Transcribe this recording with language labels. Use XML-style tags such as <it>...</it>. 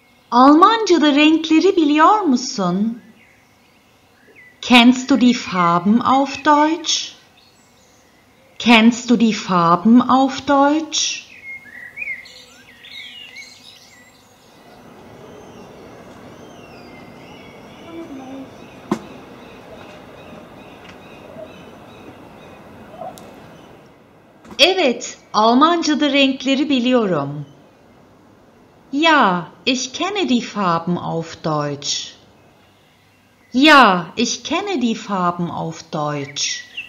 <tr>Almanca'da renkleri biliyor musun?</tr> <de>Kennst du die Farben auf Deutsch? Kennst du die Farben auf Deutsch?</de> <tr>Evet, Almanca'da renkleri biliyorum.</tr> <de>Ja, ich kenne die Farben auf Deutsch. Ja, ich kenne die Farben auf Deutsch.</de>